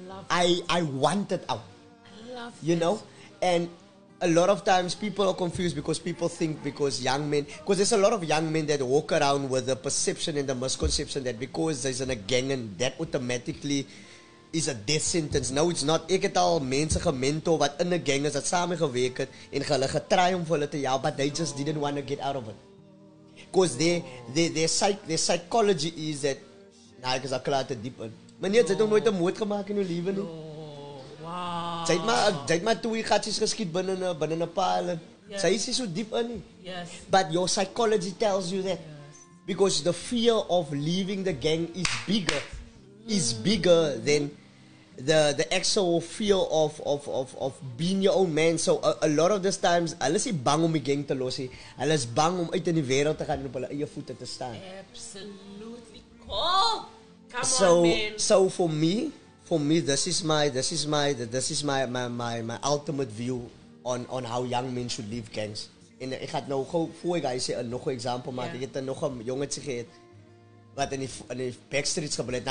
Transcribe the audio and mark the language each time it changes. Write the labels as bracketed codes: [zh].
[en] I wanted out. I love this. And a lot of times people are confused because people think because there's a lot of young men that walk around with the perception and the misconception that because there's in a gang and that automatically is a death sentence. No, it's not. [af] Ek het al mense gemento wat in 'n gang is wat saamgewerk het en hulle getry om hulle te help, [en] but they just didn't want to get out of it. Because their psychology is that [af] nou, ek is al klaar te diep in. Meneer, jy het nog nooit 'n moord gemaak in jou lewe nie. Jy het maar twee gatsies geskiet binne 'n paal. Sy is so diep in nie. [en] Yes. But your psychology tells you that. Yes. Because the fear of leaving the gang is bigger than the actual fear of being your own man. So a lot of these times, [af] hulle is nie bang om die gang te los nie. Hulle is bang om uit in die wêreld te gaan en op hulle eie voete te staan. [en] Absolutely. Come on, man. So for me, this is my ultimate view on how young men should leave gangs. [af] And ek het nou gou voor ek gee [en] another example, [af] maar ek het nog 'n jongetjie gehad wat in die backstreets gebly het.